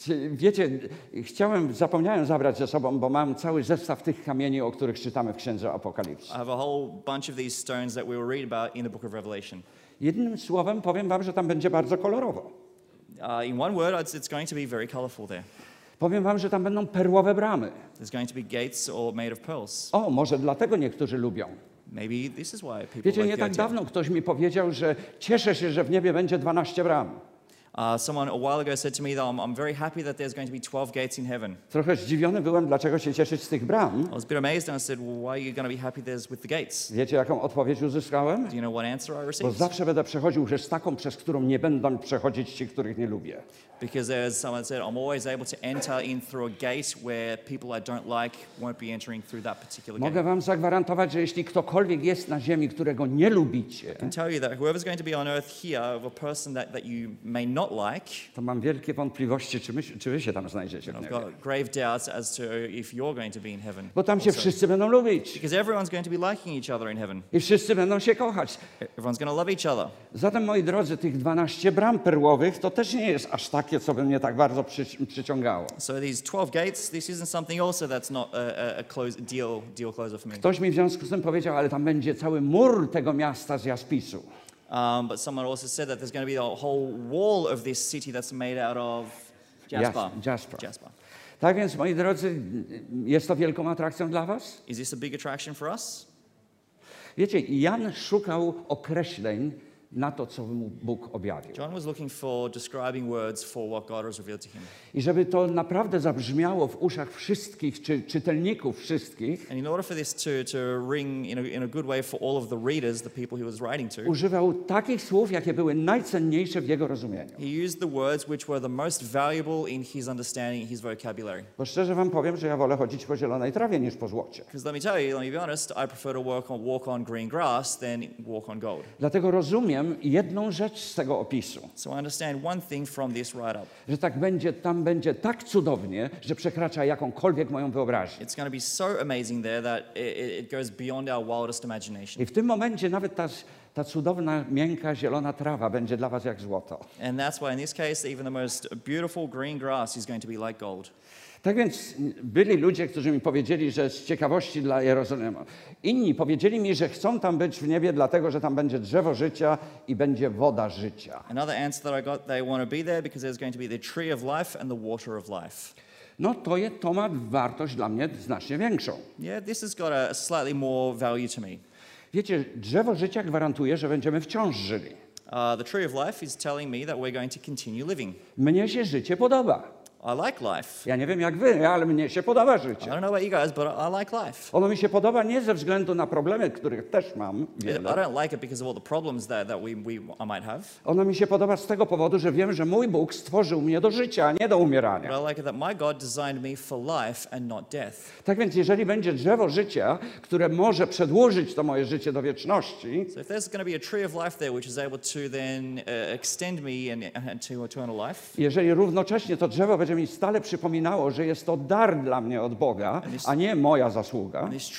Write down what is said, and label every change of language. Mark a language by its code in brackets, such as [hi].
[pl] Wiecie, zapomniałem zabrać ze sobą, bo mam cały zestaw tych kamieni, o których czytamy w Księdze Apokalipsy. [en] I have a whole bunch of these stones that we will read about in the Book of Revelation. [pl] Jednym słowem powiem wam, że tam będzie bardzo kolorowo. [en] In one word, it's going to be very colorful there. [pl] Powiem wam, że tam będą perłowe bramy. [en] There's going to be gates or made of pearls. [pl] O, może dlatego niektórzy lubią. [en] Maybe this is why people [pl] wiecie, [en] like [pl] nie tak dawno ktoś mi powiedział, że cieszę się, że w niebie będzie 12 bram. [en] Someone a while ago said to me that I'm very happy that there's going to be 12 gates in heaven. [pl] Trochę zdziwiony byłem, dlaczego się cieszyć z tych bram. [en] I was a bit amazed and I said, well, why are you going to be happy there's with the gates? [pl] Wiecie, jaką odpowiedź uzyskałem? [en] Do you know what answer I received? [pl] Bo zawsze będę przechodził przez taką, przez którą nie będą przechodzić ci, których nie lubię. [en] Because as someone said, I'm always able to enter in through a gate where people I don't like won't be entering through that particular gate. [pl] Mogę wam zagwarantować, że jeśli ktokolwiek jest na ziemi, którego nie lubicie, [en] I can tell you that whoever's going to be on earth here of a person that you may not like, [pl] to mam wielkie wątpliwości, czy wy się tam znajdziecie. [en] I've got grave doubts as to if you're going to be in heaven. [pl] Bo tam [en] also. [pl] Się wszyscy będą lubić. [en] Because everyone's going to be liking each other in heaven. [pl] I wszyscy będą się kochać. [en] Everyone's going to love each other. [pl] Zatem, moi drodzy, tych 12 bram perłowych, to też nie jest aż tak, co by mnie tak bardzo przyciągało. [en] So these 12 gates, this isn't something also that's not a close deal closer for me. [pl] Ktoś mi w związku z tym powiedział, ale tam będzie cały mur tego miasta z jaspisu. [en] But someone also said that there's going to be a whole wall of this city that's made out of jasper. [pl] Tak więc, moi drodzy, jest to wielką atrakcją dla was? [en] Is this a big attraction for us? [pl] Wiecie, Jan szukał określeń na to, co mu Bóg objawił. [en] John was looking for describing words for what God has revealed to him. [pl] I żeby to naprawdę zabrzmiało w uszach wszystkich, czy czytelników wszystkich. [en] And in order for this to ring in a good way for all of the readers, the people he was writing to. [pl] Używał takich słów, jakie były najcenniejsze w jego rozumieniu. [en] He used the words which were the most valuable in his understanding, his vocabulary. [pl] Bo szczerze wam powiem, że ja wolę chodzić po zielonej trawie niż po złocie. [en] Because let me tell you, let me be honest, I prefer to walk on green grass than walk on gold. [pl] Dlatego rozumiem jedną rzecz z tego opisu. [en] So I understand one thing from this write-up. [pl] Że tak będzie, tam będzie tak cudownie, że przekracza jakąkolwiek moją wyobraźnię. [en] It's going to be so amazing there that it goes beyond our wildest imagination. [pl] I w tym momencie nawet ta cudowna, miękka, zielona trawa będzie dla was jak złoto. [en] And that's why in this case even the most beautiful green grass is going to be like gold. [pl] Tak więc byli ludzie, którzy mi powiedzieli, że z ciekawości dla Jerozolimy. Inni powiedzieli mi, że chcą tam być w niebie, dlatego że tam będzie drzewo życia i będzie woda życia. [en] Another answer that I got, they want to be there because there's going to be the tree of life and the water of life. [pl] No to ma wartość dla mnie znacznie większą. [en] Yeah, this has got a slightly more value to me. [pl] Wiecie, drzewo życia gwarantuje, że będziemy wciąż żyli. [en] The tree of life is telling me that we're going to continue living. [pl] Mnie się życie podoba. [en] I like life. [pl] Ja nie wiem jak wy, ale mnie się podoba życie. [en] I don't know about you guys, but I like life. [pl] Ono mi się podoba nie ze względu na problemy, których też mam wiele. [en] I don't like it because of all the problems that I might have. [pl] Ono mi się podoba z tego powodu, że wiem, że mój Bóg stworzył mnie do życia, a nie do umierania. [en] But I like it that my God designed me for life and not death. [pl] Tak więc, jeżeli będzie drzewo życia, które może przedłużyć to moje życie do wieczności. [en] So if there's going to be a tree of life there, which is able to then extend me and to eternal life. [pl] Jeżeli równocześnie to drzewo będzie mi stale przypominało, że jest to dar dla mnie od Boga, a nie moja zasługa.